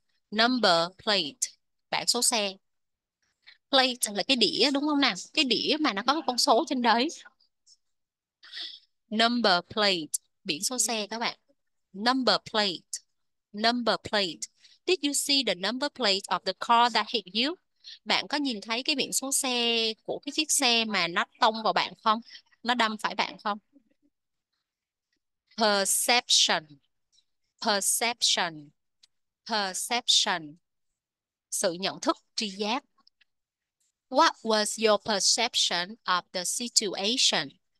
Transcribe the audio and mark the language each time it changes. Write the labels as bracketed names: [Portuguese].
[Vietnamese] Number plate, bảng số xe. Plate là cái đĩa đúng không nào? Cái đĩa mà nó có cái con số trên đấy. Number plate, biển số xe các bạn. [English] Number plate, number plate. Did you see the number plate of the car that hit you? [Vietnamese] Bạn có nhìn thấy cái biển số xe của cái chiếc xe mà nó tông vào bạn không? Nó đâm phải bạn không? Perception, perception, perception. Sự nhận thức, tri giác. [English] What was your perception of the situation?